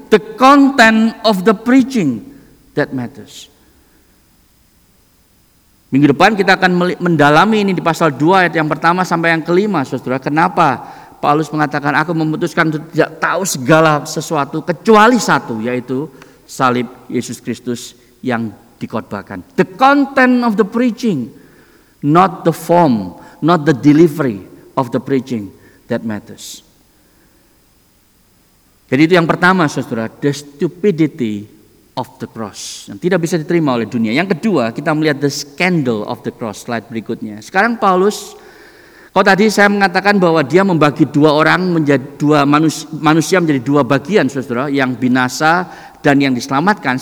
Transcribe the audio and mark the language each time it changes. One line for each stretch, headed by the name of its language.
English: The content of the preaching that matters.
Indonesian: Minggu depan kita akan mendalami ini di pasal 2 ayat yang pertama sampai yang kelima, saudara. Kenapa Paulus mengatakan, aku memutuskan untuk tidak tahu segala sesuatu kecuali satu, yaitu salib Yesus Kristus yang dikhotbahkan.
English: The content of the preaching, not the form, not the delivery of the preaching that matters.
Indonesian: Jadi itu yang pertama, saudara,
English: the stupidity of the cross
Indonesian: yang tidak bisa diterima oleh dunia. Yang kedua, kita melihat
English: the scandal of the cross,
Indonesian: slide berikutnya. Sekarang Paulus, kalau tadi saya mengatakan bahwa dia membagi dua orang menjadi dua manusia menjadi dua bagian, saudara, yang binasa dan yang diselamatkan.